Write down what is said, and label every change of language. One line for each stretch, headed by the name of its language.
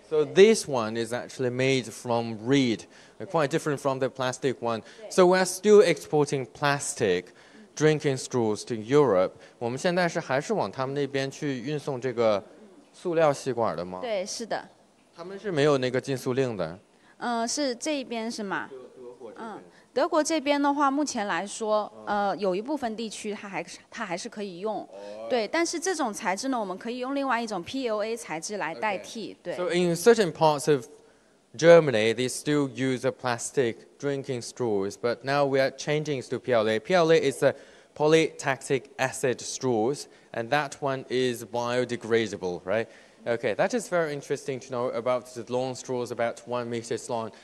English: so this one is actually made from reed, quite different from the plastic one. So we're still exporting plastic drinking straws to Europe.
Chinese: 我们现在是还是往他们那边去运送这个塑料吸管的吗？对，是的。他们是没有那个禁塑令的。嗯，是这边是吗？德国这边的话，目前来说，有一部分地区它还是可以用。对，但是这种材质呢，我们可以用另外一种 PLA 材质来代替。对。
English: So in certain parts of Germany, they still use a plastic drinking straws, but now we are changing to PLA. PLA is a polylactic acid straws, and that one is biodegradable, right? Okay, that is very interesting to know about the long straws, about 1 meter long.